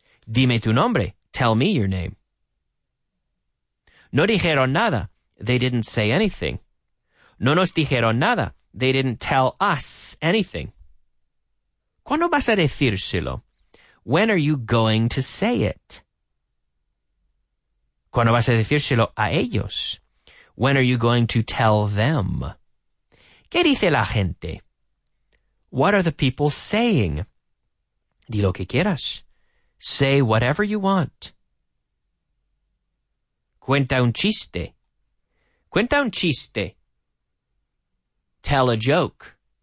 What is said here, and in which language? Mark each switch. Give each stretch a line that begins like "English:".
Spanish: Dime tu nombre.
English: Tell me your name.
Spanish: No dijeron nada.
English: They didn't say anything.
Spanish: No nos dijeron nada.
English: They didn't tell us anything.
Spanish: ¿Cuándo vas a decírselo?
English: When are you going to say it?
Spanish: ¿Cuándo vas a decírselo a ellos?
English: When are you going to tell them?
Spanish: ¿Qué dice la gente?
English: What are the people saying?
Spanish: Di lo que quieras.
English: Say whatever you want.
Spanish: Cuenta un chiste. Cuenta un chiste.
English: Tell a joke.